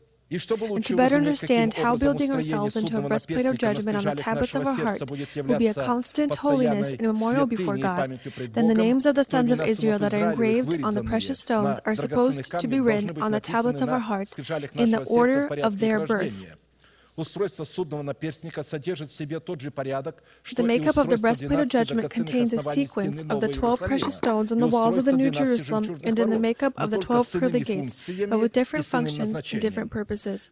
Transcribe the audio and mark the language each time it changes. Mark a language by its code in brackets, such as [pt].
[en] And to better understand how building ourselves into a breastplate of judgment on the tablets of our heart will be a constant holiness and memorial before God, then the names of the sons of Israel that are engraved on the precious stones are supposed to be written on the tablets of our heart in the order of their birth. [ru] Устройство судного наперстника содержит в себе тот же порядок, что [en] the makeup of the breastplate of judgment contains a sequence of the 12 precious stones on the walls of the New Jerusalem and in the makeup of the 12 pearly gates, but with different functions and different purposes.